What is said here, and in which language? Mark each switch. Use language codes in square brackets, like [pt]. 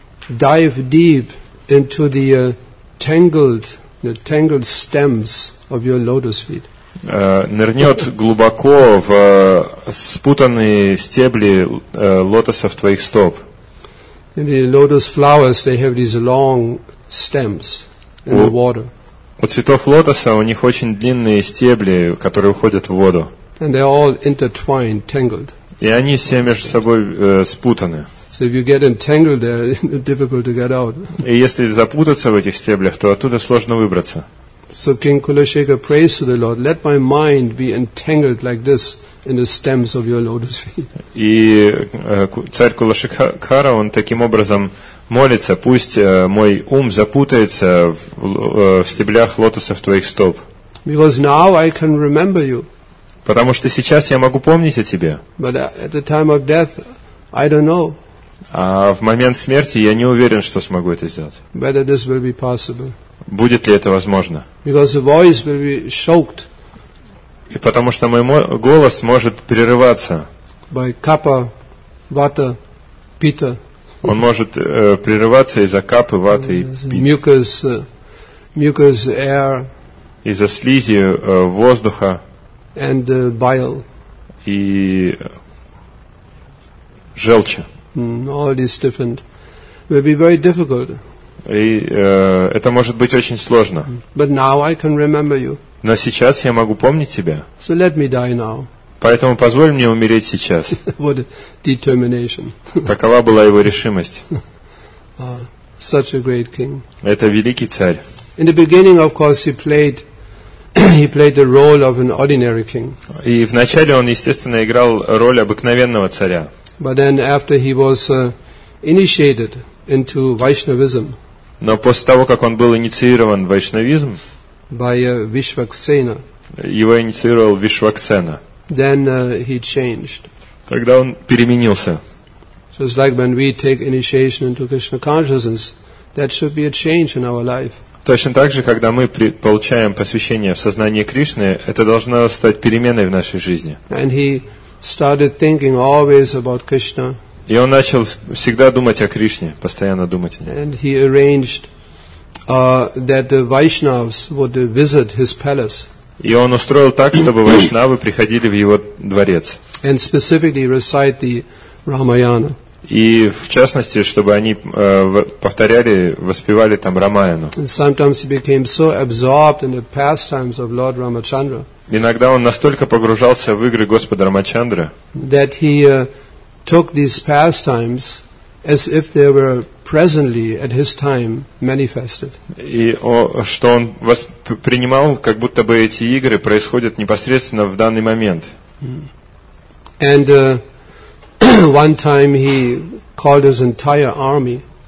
[en] Dive deep into the tangled stems of your lotus feet. [ru] Нырнет глубоко в спутанные стебли лотосов твоих стоп. [en] In the lotus flowers, they have these long stems in the water. [ru] У цветов лотоса у них очень длинные стебли, которые уходят в воду. [en] And they're all intertwined, tangled. [ru] И они все между собой спутаны. [en] So if you get entangled there, it's difficult to get out. [ru] И если запутаться в этих стеблях, то оттуда сложно выбраться. [en] So King Kulashekara prays to the Lord, let my mind be entangled like this in the stems of your lotus feet. [ru] И царь Кулашекара, он таким образом молится, пусть мой ум запутается в стеблях лотосов твоих стоп. [en] Because now I can remember you. [ru] Потому что сейчас я могу помнить о тебе. [en] But at the time of death, I don't know. [ru] А в момент смерти я не уверен, что смогу это сделать. [en] Whether this will be possible. [ru] Будет ли это возможно? [en] Because the voice will be choked. [ru] И потому что мой голос может прерываться. [en] By kapha, vata, pitta. [ru] Он может прерываться из-за капы, ваты и питы. [en] Mucus air. [ru] Из-за слизи воздуха. [en] And bile. [ru] И желчи. [en] All these different will be very difficult. [ru] И это может быть очень сложно. [en] But now I can remember you. [ru] Но сейчас я могу помнить тебя. [en] So let me die now. [ru] Поэтому позволь мне умереть сейчас. [en] What a determination. [ru] Такова была его решимость. [en] Such a great king. [ru] Это великий царь. [en] In the beginning, of course, he played the role of an ordinary king. [ru] И вначале он, естественно, играл роль обыкновенного царя. [en] But then after he was initiated into Vaishnavism. [ru] Но после того, как он был инициирован в вайшнавизм, [en] by Vishvaksena. [ru] Его инициировал Вишваксена. [en] Then he changed. [ru] Тогда он переменился. [en] So it's like when we take initiation into Krishna consciousness, that should be a change in our life. [ru] Точно так же, когда мы получаем посвящение в сознание Кришны, это должно стать переменой в нашей жизни. [en] And he started thinking always about Krishna. [ru] И он начал всегда думать о Кришне, постоянно думать о нем. [en] And he arranged that the Vaishnavas would visit his palace. [ru] И он устроил так, чтобы вайшнавы приходили в его дворец. [en] And specifically recite the Ramayana. [ru] И в частности, чтобы они повторяли, воспевали там Рамаяну. [en] And sometimes he became so absorbed in the pastimes of Lord Ramachandra. [ru] Иногда он настолько погружался в игры Господа Рамачандры, [en] that he took these pastimes as if they were presently at his time manifested. [ru] И что он воспринимал, как будто бы эти игры происходят непосредственно в данный момент. [en] And one time he called his entire army.